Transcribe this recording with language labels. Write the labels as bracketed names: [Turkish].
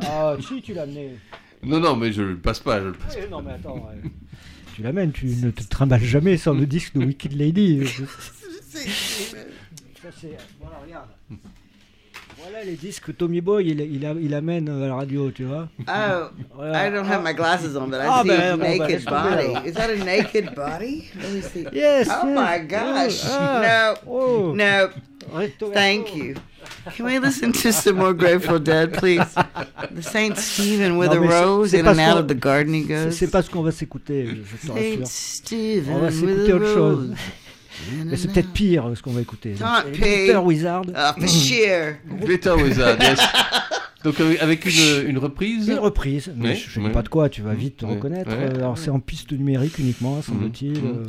[French] Ah, si, tu l'as amené. Non, mais je le passe pas. Je le passe oui, pas. Non, mais attends. Ouais. Tu l'amènes, tu ne te trimbales jamais sans le disque de Wicked Lady. C'est ça, c'est. Voilà, regarde. Voilà les disques que Tommy Boy il amène à la radio, tu vois. [English] Oh, voilà. I don't have my glasses on, but I see a naked body. Is that a naked body? Let me see. Yes. Oh yes. My gosh. No. Thank you. Can we listen to some more Grateful Dead, please? The Saint Stephen with a rose in and out of the garden he goes. [French] C'est pas ce qu'on va s'écouter, je te rassure. [English] Saint Stephen with a rose. [French] Mais c'est peut-être pire ce qu'on va écouter. [English] Glitter Wizard. [French] Glitter Wizard, yes. Donc avec une reprise. Une reprise, mais oui, je n'ai pas de quoi, tu vas vite te reconnaître. Oui. Alors c'est en piste numérique uniquement, semble-t-il.